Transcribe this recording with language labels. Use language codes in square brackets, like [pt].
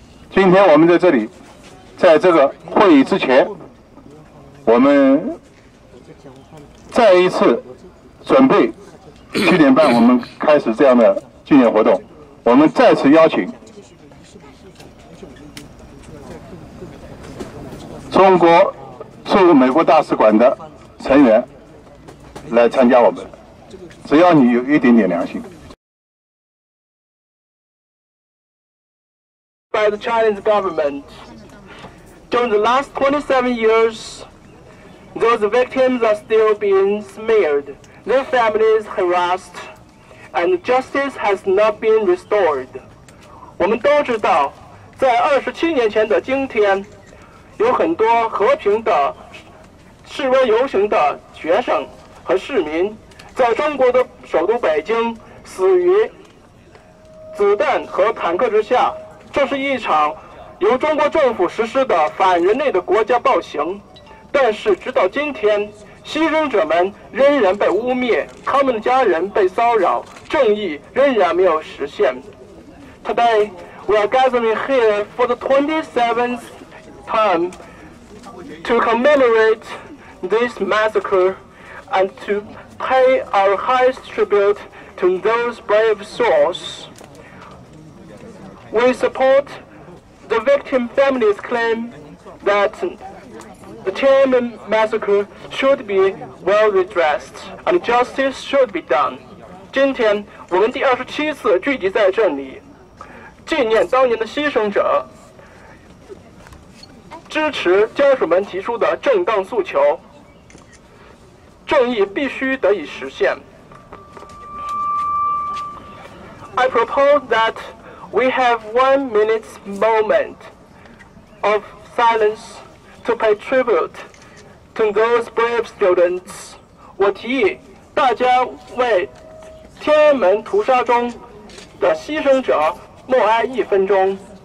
[zh] 今天我们在这里，在这个会议之前，我们再一次准备7:30我们开始这样的纪念活动，我们再次邀请中国驻美国大使馆的成员来参加我们，只要你有一点点良心。 [en] By the Chinese government, during the last 27 years, those victims are still being smeared, their families harassed, and justice has not been restored. [zh] 我们都知道，在27年前的今天，有很多和平的示威游行的学生和市民在中国的首都北京死于子弹和坦克之下，这是一场由中国政府实施的反人类的国家暴行。但是直到今天，牺牲者们仍然被污蔑，他们的家人被骚扰，正义仍然没有实现。 [en] Today we are gathering here for the 27th time to commemorate this massacre and to pay our highest tribute to those brave souls. We support the victim families' claim that the Tiananmen massacre should be well redressed and justice should be done. [zh] 今天我们第27次聚集在这里，纪念当年的牺牲者，支持家属们提出的正当诉求，正义必须得以实现。 [en] I propose that we have 1 minute moment of silence to pay tribute to those brave students. [zh] 我提议大家为天安门屠杀中的牺牲者默哀1分钟。